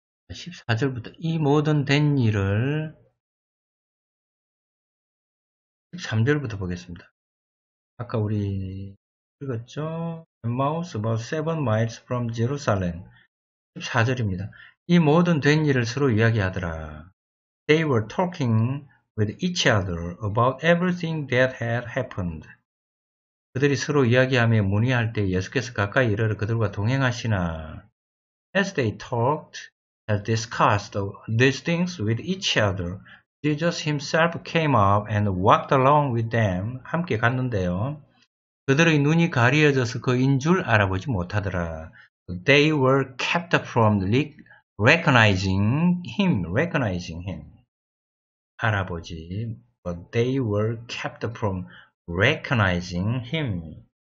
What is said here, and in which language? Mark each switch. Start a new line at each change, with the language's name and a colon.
Korean: 14절부터 이 모든 된 일을 3절부터 보겠습니다. 아까 우리 읽었죠?
English: Emmaus about 7 miles from Jerusalem.
Korean: 14절입니다. 이 모든 된 일을 서로 이야기하더라.
English: They were talking with each other about everything that had happened.
Korean: 그들이 서로 이야기하며 문의할 때 예수께서 가까이 이르러 그들과 동행하시나.
English: As they talked, had discussed these things with each other, Jesus himself came up and walked along with them.
Korean: 함께 갔는데요. 그들의 눈이 가려져서 그인 줄 알아보지 못하더라.
English: They were kept from recognizing him. Recognizing him.
Korean: 알아보지.
English: But they were kept from recognizing him.